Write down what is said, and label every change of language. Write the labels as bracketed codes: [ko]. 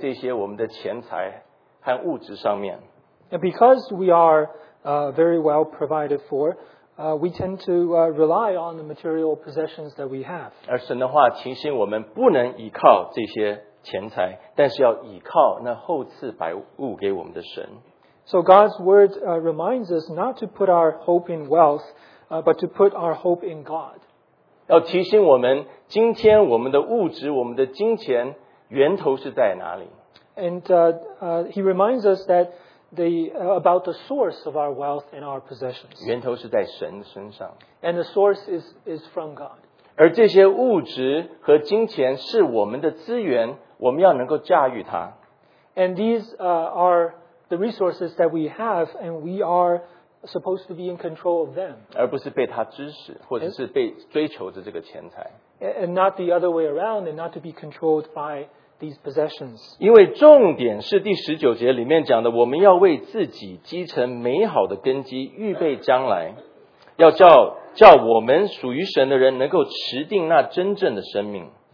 [zh] 但是因为我们富足,我们富裕,我们很容易依靠在这些我们的钱财和物质上面。 [en] And because we are very well provided for, we tend to rely on the material possessions that we have. [zh] 而神的话提醒我们不能依靠这些钱财,但是要依靠那厚赐百物给我们的神。 [en] So God's word reminds us not to put our hope in wealth, but to put our hope in God. [zh] 要提醒我们,今天我们的物质,我们的金钱源头是在哪里? [en] And he reminds us that about the source of our wealth and our possessions. [zh] 源头是在神身上。 [en] And the source is from God. [zh] 而这些物质和金钱是我们的资源,我们要能够驾驭它。 [en] And these are the resources that we have, and we are supposed to be in control of them. [zh] 而不是被他指使, 或者是被追求着这个钱财。 [en] And not the other way around, and not to be controlled by these possessions. [zh] 因为重点是第19节里面讲的, 我们要为自己积成美好的根基,预备将来。要叫我们属于神的人能够持定那真正的生命。